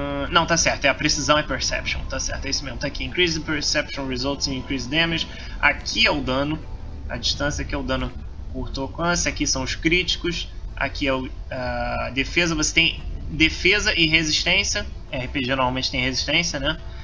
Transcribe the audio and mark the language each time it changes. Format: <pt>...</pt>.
<pt>Não, tá certo. É a precisão, é Perception. Tá certo, é isso mesmo. Tá aqui.</pt> <en>Increase Perception results in increased damage.</en> <pt>Aqui é o dano. A distância aqui é o dano curto alcance. Aqui são os críticos. Aqui é a defesa. Você tem defesa e resistência. RPG normalmente tem resistência, né?</pt>